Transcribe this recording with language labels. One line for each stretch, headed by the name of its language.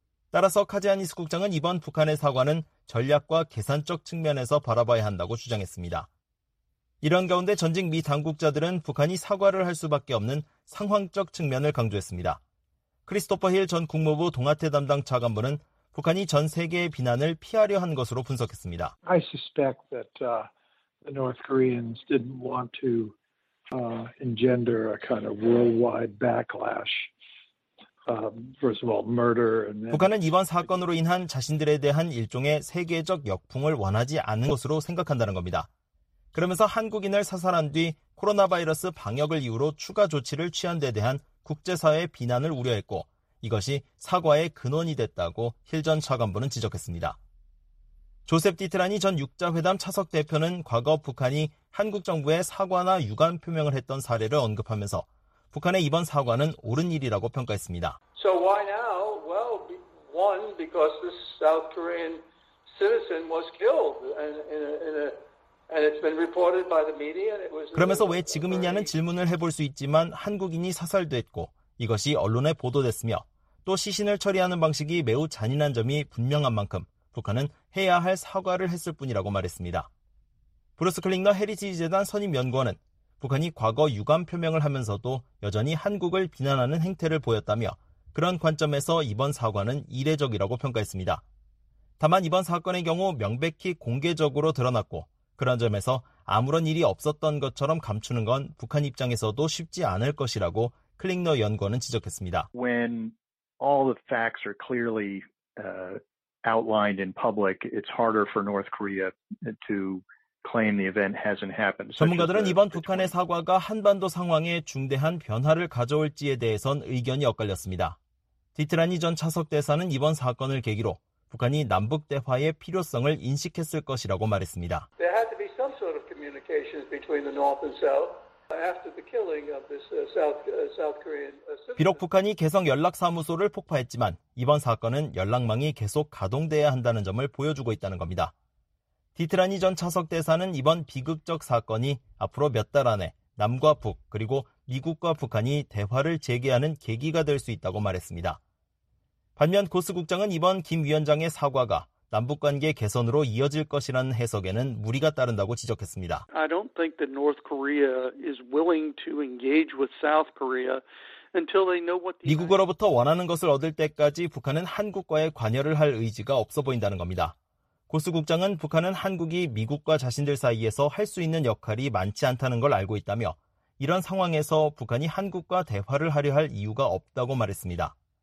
Korean: 따라서 카지아니스 국장은 이번 북한의 사과는 전략과 계산적 측면에서 바라봐야 한다고 주장했습니다. 이런 가운데 전직 미 당국자들은 북한이 사과를 할 수밖에 없는 상황적 측면을 강조했습니다. 크리스토퍼 힐 전 국무부 동아태 담당 차관보는 북한이 전 세계의 비난을 피하려 한 것으로 분석했습니다.
English: I suspect that the North Koreans didn't want to engender a kind of worldwide backlash. First of all, murder.
Korean: 북한은 이번 사건으로 인한 자신들에 대한 일종의 세계적 역풍을 원하지 않는 것으로 생각한다는 겁니다. 그러면서 한국인을 사살한 뒤 코로나 바이러스 방역을 이유로 추가 조치를 취한 데 대한 국제사회의 비난을 우려했고 이것이 사과의 근원이 됐다고 힐 전 차관보는 지적했습니다. 조셉 디트라니 전 육자회담 차석 대표는 과거 북한이 한국 정부의 사과나 유감 표명을 했던 사례를 언급하면서 북한의 이번 사과는 옳은 일이라고 평가했습니다.
English: So why now? Well, one, because this South Korean citizen was killed and it's been reported by the media.
Korean: 그러면서 왜 지금이냐는 질문을 해볼 수 있지만 한국인이 사살됐고 이것이 언론에 보도됐으며 또 시신을 처리하는 방식이 매우 잔인한 점이 분명한 만큼 북한은 해야 할 사과를 했을 뿐이라고 말했습니다. 브루스 클링너 헤리티지 재단 선임 연구원은 북한이 과거 유감 표명을 하면서도 여전히 한국을 비난하는 행태를 보였다며 그런 관점에서 이번 사과는 이례적이라고 평가했습니다. 다만 이번 사건의 경우 명백히 공개적으로 드러났고 그런 점에서 아무런 일이 없었던 것처럼 감추는 건 북한 입장에서도 쉽지 않을 것이라고 클링너 연구원은 지적했습니다.
English: When all the facts are clearly outlined in public, it's harder for North Korea to claim the event hasn't happened.
Korean: 전문가들은 이번 북한의 사과가 한반도 상황에 중대한 변화를 가져올지에 대해선 의견이 엇갈렸습니다. 디트라니 전 차석 대사는 이번 사건을 계기로 북한이 남북 대화의 필요성을 인식했을 것이라고 말했습니다.
English: There had to be some sort of communications between the North and South. After the killing of this South Korean citizen.
Korean: 비록 북한이 개성 연락사무소를 폭파했지만 이번 사건은 연락망이 계속 가동돼야 한다는 점을 보여주고 있다는 겁니다. 디트라니 전 차석 대사는 이번 비극적 사건이 앞으로 몇 달 안에 남과 북 그리고 미국과 북한이 대화를 재개하는 계기가 될 수 있다고 말했습니다. 반면 고스 국장은 이번 김 위원장의 사과가 남북관계 개선으로 이어질 것이라는 해석에는 무리가 따른다고 지적했습니다.
English: I don't think that North Korea is willing to engage with South Korea until they know what the
Korean: 미국으로부터 원하는 것을 얻을 때까지 북한은 한국과의 관여를 할 의지가 없어 보인다는 겁니다. 고스 국장은 북한은 한국이 미국과 자신들 사이에서 할 수 있는 역할이 많지 않다는 걸 알고 있다며 이런 상황에서 북한이 한국과 대화를 하려 할 이유가 없다고 말했습니다.